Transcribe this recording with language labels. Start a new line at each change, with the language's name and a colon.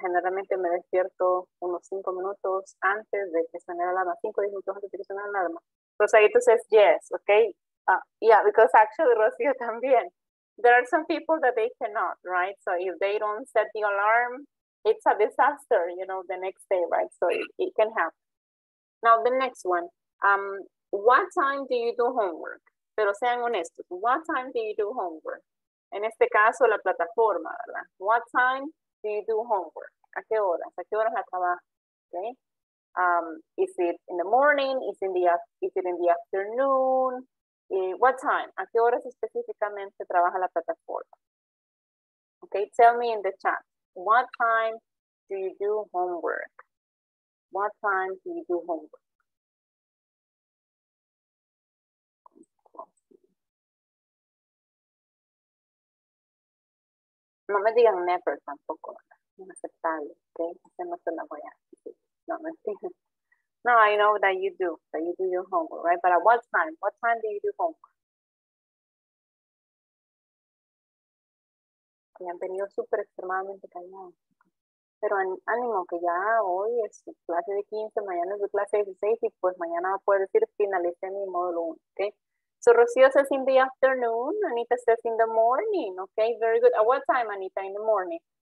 Spanish: Generalmente me despierto unos 5 minutos antes de que suene la alarma, 5 o 10 minutos antes de que suene la alarma.
English: Rosadito says, yes, okay. Yeah, because actually, Rocio también. There are some people that they cannot, right? So if they don't set the alarm, it's a disaster, you know, the next day, right? So it can happen. Now, the next one. What time do you do homework?
Spanish: Pero sean honestos.
English: What time do you do homework?
Spanish: En este caso, la plataforma, ¿verdad?
English: What time do you do homework?
Spanish: ¿A qué horas? ¿A qué horas la trabaja?
English: Okay. Is it in the morning? Is it in the afternoon? What time?
Spanish: ¿A qué horas específicamente trabaja la plataforma?
English: Okay, tell me in the chat. What time do you do homework? What time do you do homework?
Spanish: No me digan never tampoco, inaceptable, okay? Eso no se la voy a decir. No me entiendo.
English: No, I know that you do your homework, right? But at what time? What time do you do homework?
Spanish: Me han venido súper extremadamente callados. Pero ánimo, que ya hoy es su clase de 15, mañana es su clase de 16, y pues mañana va a poder decir finalicé mi módulo 1, okay?
English: So Rocio says in the afternoon, Anita says in the morning, okay, very good. At what time, Anita, in the morning?